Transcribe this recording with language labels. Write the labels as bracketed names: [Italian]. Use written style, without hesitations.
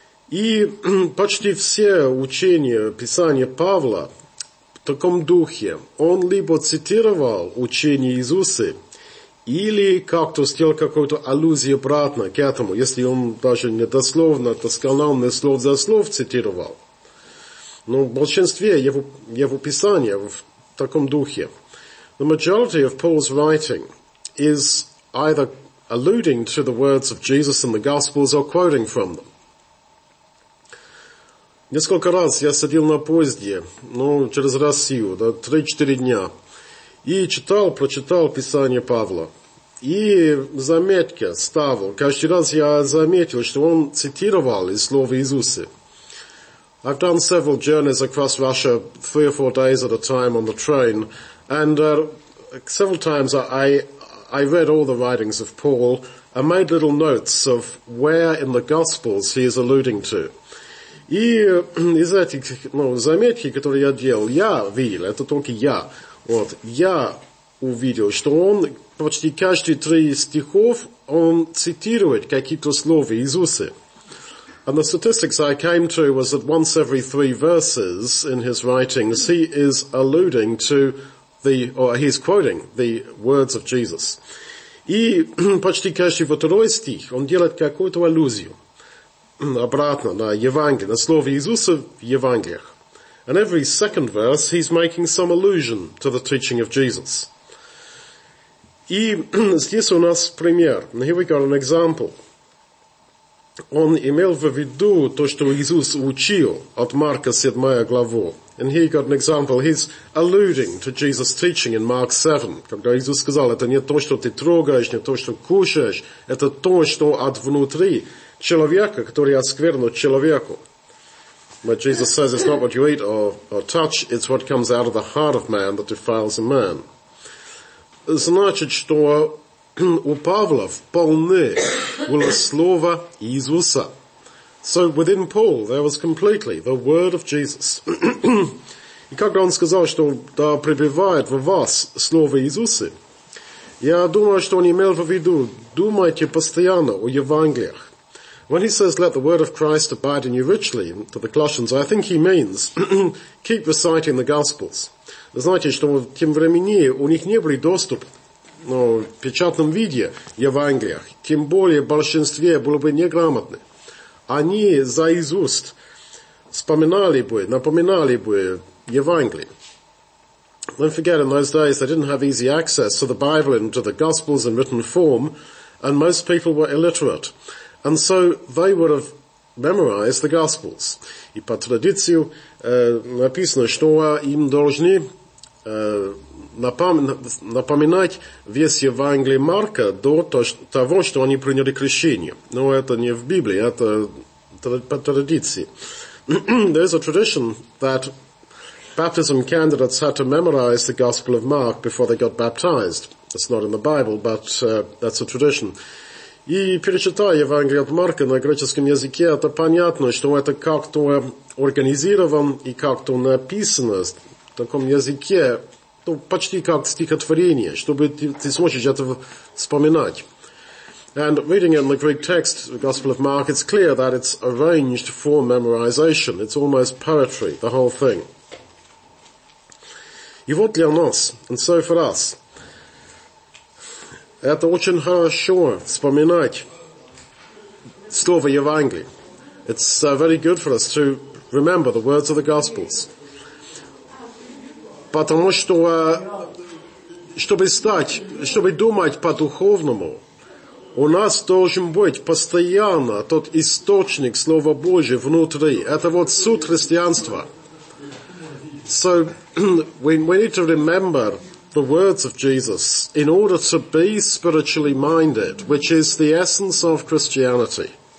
[Russian] И почти все учения Писания Павла в таком духе, он либо цитировал учение Иисуса, или как-то сделал какую-то аллюзию обратно к этому, если он даже не дословно, досконально слов за слов цитировал. Но в большинстве его Писания в таком духе. [English] The majority of Paul's writing is either alluding to the words of Jesus in the Gospels or quoting from them. [Russian] Несколько раз я сидел на поезде, ну, через Россию, да, 3-4 дня, и читал, прочитал Писание Павла. И заметки ставил. Каждый раз я заметил, что он цитировал из слова Иисуса. [English] I've done several journeys across Russia, 3 or 4 days at a time on the train, and several times I read all the writings of Paul and made little notes of where in the Gospels he is alluding to. [Russian] И из этих, ну, заметки, которые я делал, я видел, это только я, вот, я увидел, что он почти каждые 3 стихов, он цитирует какие-то слова Иисуса. [English] And the statistics I came to was that once every 3 verses in his writings, he is alluding to the, or he's quoting the words of Jesus. [Russian] И почти каждый 2 стих, он делает какую-то аллюзию. Обратно на Евангелие, на слово Иисуса в Евангелиях. [English] And every second verse, he's making some allusion to the teaching of Jesus. [Russian] И здесь у нас пример. [English] Here we got an example. [Russian] он имел в виду то, что Иисус учил от Марка 7 главу. [English] And he got an example. He's alluding to Jesus' teaching in Mark 7, [Russian] когда Иисус сказал, это не то, что ты трогаешь, не то, что кушаешь, это то, что от внутри человека, который осквернил человеку. [English] But Jesus says, it's not what you eat or touch, it's what comes out of the heart of man that defiles a man. [Russian] Значит, что у Павла вполне было слово Иисуса. [English] So within Paul, there was completely the word of Jesus. [Russian] И как он сказал, что да пребывает в вас слово Иисуса, я думаю, что он имел в виду, думайте постоянно о Евангелиях. [English] When he says, let the word of Christ abide in you richly, to the Colossians, I think he means, keep reciting the Gospels. [Russian] Знаете, что в тем времени у них не были доступ ну, в печатном виде Евангелия, тем более большинстве было бы неграмотны. Они за изуст вспоминали бы, напоминали бы Евангелие. [English] Don't forget, in those days they didn't have easy access to the Bible and to the Gospels in written form, and most people were illiterate. And so they would have memorized the Gospels. [Russian] И по традиции написано, что им должны напоминать весь Евангелие Марка до того, что они приняли крещение. Но это не в Библии, это по традиции. [English] There is a tradition that baptism candidates had to memorize the Gospel of Mark before they got baptized. It's not in the Bible, but that's a tradition. [Russian] И перечитая Евангелие от Марка на греческом языке, это понятно, что это как-то организировано и как-то написано в таком языке, ну, почти как стихотворение, чтобы ты сможешь это вспоминать. [English] And reading it in the Greek text, the Gospel of Mark, it's clear that it's arranged for memorization. It's almost poetry, the whole thing. [Russian] И вот для нас, [English] and so for us, [Russian] это очень хорошо вспоминать слово Евангелие. [English] It's very good for us to remember the words of the Gospels. [Russian] Потому что, чтобы стать, чтобы думать по-духовному, у нас должен быть постоянно тот источник Слова Божия внутри. Это вот суть христианства. [English] So, we need to remember the words of Jesus in order to be spiritually minded, which is the essence of Christianity.